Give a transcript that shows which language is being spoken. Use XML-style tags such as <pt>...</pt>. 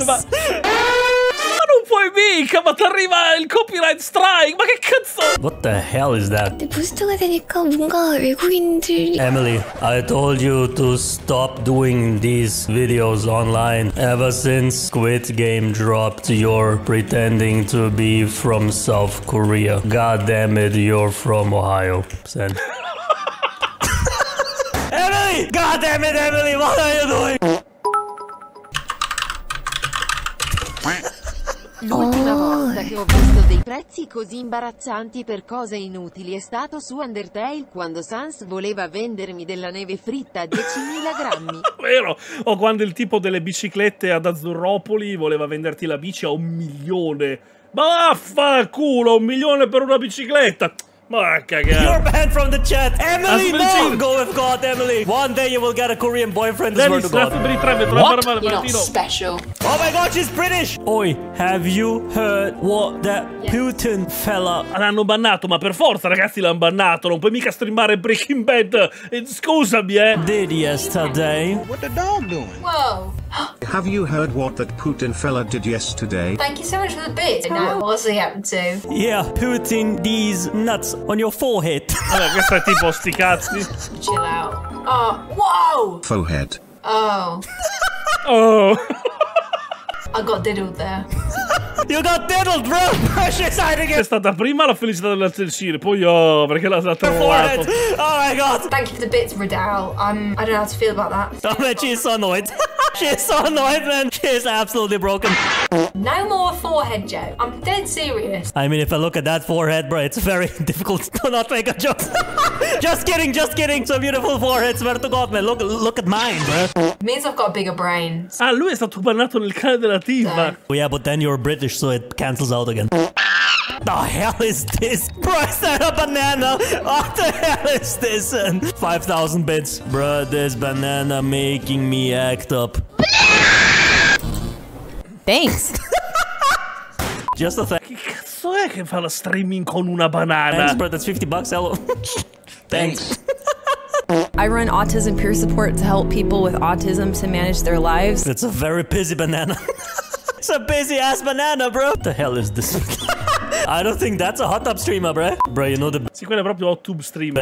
<it>Ma non puoi mica, ma ti arriva il copyright strike? Ma che cazzo?</it> <en>What the hell is that?</en> <it>Questo è il comune, quindi...</it> <en>Emily, I told you to stop doing these videos online ever since Squid Game dropped. You're pretending to be from South Korea. God damn it, you're from Ohio. Send. Emily! God damn it, Emily, what are you doing?</en> <it>L'ultima volta che ho visto dei prezzi così imbarazzanti per cose inutili è stato su Undertale, quando Sans voleva vendermi della neve fritta a 10.000 grammi. Vero? O quando il tipo delle biciclette ad Azzurropoli voleva venderti la bici a 1.000.000. Ma vaffanculo, 1.000.000 per una bicicletta!</it> <en>You're banned from the chat! Emily, no! Go with God, Emily! One day you will get a Korean boyfriend, swear to God. What? You're not special. Oh my god, she's British! Oi, have you heard what that Putin fella...</en> <it>L'hanno bannato, ma per forza, ragazzi, l'hanno bannato. Non puoi mica streamare Breaking Bad. Scusami, eh.</it> <en>Did yesterday. What the dog doing? Whoa. Have you heard what that Putin fella did yesterday? Thank you so much for the bit. No, what's he up to? Yeah, Putin these nuts on your forehead.</en> <it>Allora, questo è tipo sti cazzi.</it> <en>Chill out. Oh, whoa! Forehead. Oh. Oh. I got diddled there. You got diddled, bro! Precious hiding it!</en> <it>È stata prima la felicità della Celsire, poi io, oh, perché l'ha trovato.</it> <en>Oh my god! Thank you for the bits, Riddell. I don't know how to feel about that. Oh man, she is so annoyed. She is so annoyed, man. She is absolutely broken. No more forehead joke. I'm dead serious. I mean, if I look at that forehead, bro, it's very difficult to not make a joke. Just kidding. So beautiful forehead, swear to god, man. Look at mine, bro. Means I've got a bigger brain.</en> <it>Ah, lui è stato bannato nel cane della diva.</it> <en>Oh yeah, but then you're British, so it cancels out again. The hell is this? Bro, is that a banana? What the hell is this? 5,000 bits. Bro, this banana making me act up. Thanks. Just a thing.</en> <it>Che cazzo è che fa la streaming con una banana?</it> <en>Thanks, bro, that's 50 bucks. Hello. Thanks. I run autism peer support to help people with autism to manage their lives. It's a very busy banana. It's a busy ass banana, bro. What the hell is this? I don't think that's a hot tub streamer, bro. Bro, you know the...</en> <it>Sì, quella è proprio hot tub streamer.</it>